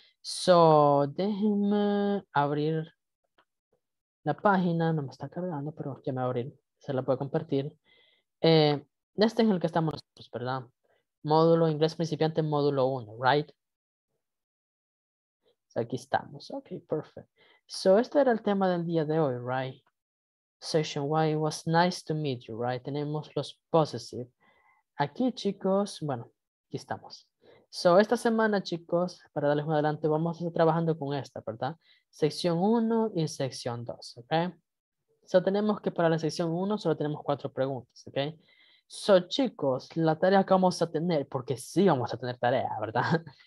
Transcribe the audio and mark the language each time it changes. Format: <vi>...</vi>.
<es>So, déjenme abrir la página, no me está cargando, pero ya me va a abrir, se la puedo compartir. Este es el que estamos nosotros, ¿verdad? Módulo inglés principiante, módulo 1, ¿right? So, aquí estamos,</es> <en>ok, perfect.</en> <es>So, este era el tema del día de hoy, ¿right?</es> <en>Session Y, it was nice to meet you, ¿right?</en> <es>Tenemos los possessive. Aquí, chicos, bueno, aquí estamos. So, esta semana, chicos, para darles un adelanto, vamos a estar trabajando con esta, ¿verdad? Sección 1 y sección 2, ¿ok? So, tenemos que para la sección 1 solo tenemos 4 preguntas, ¿ok? So, chicos, la tarea que vamos a tener, porque sí vamos a tener tarea, ¿verdad?</es>